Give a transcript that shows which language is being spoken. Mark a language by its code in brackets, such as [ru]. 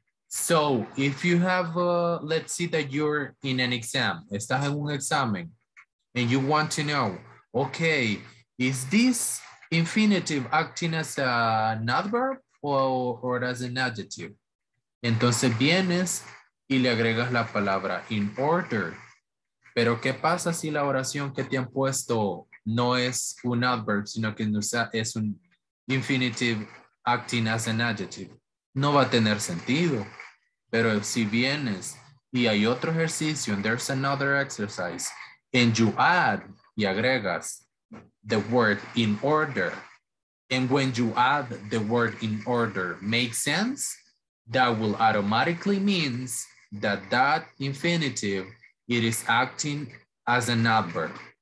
[en] So if you have, let's say that you're in an exam, [es] estás en un examen, [en] and you want to know, okay, is this infinitive acting as an adverb or as an adjective? [es] Entonces vienes y le agregas la palabra in order. Pero ¿qué pasa si la oración que te han puesto no es un adverb, sino que es un [en] infinitive acting as an adjective? [es] No va a tener sentido. Pero si vienes y hay otro ejercicio, [en] and there's another exercise, and you add [es] y agregas [en] the word in order, and when you add the word in order, makes sense, that will automatically means that that infinitive, it is acting as an adverb.